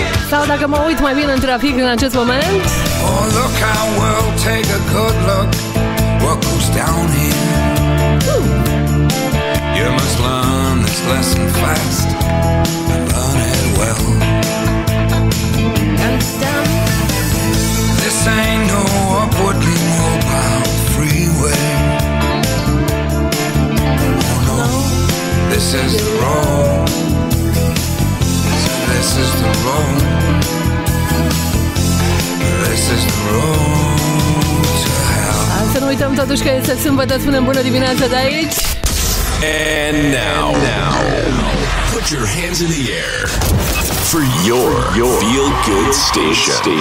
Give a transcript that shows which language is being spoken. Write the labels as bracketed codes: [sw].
[ro] Sau dacă mă uit mai bine în trafic în acest moment. [en] Oh, look how we'll take a good look. What goes down here? You must learn this lesson fast and learn it well. This ain't no upwardly mobile freeway. Oh no, this is the road. This is the road. This is the road to hell. [ro] Hai să nu uităm totuși că este sâmbătă. Spunem bună dimineața de aici. [en] And now, now, put your hands in the air for your feel good station.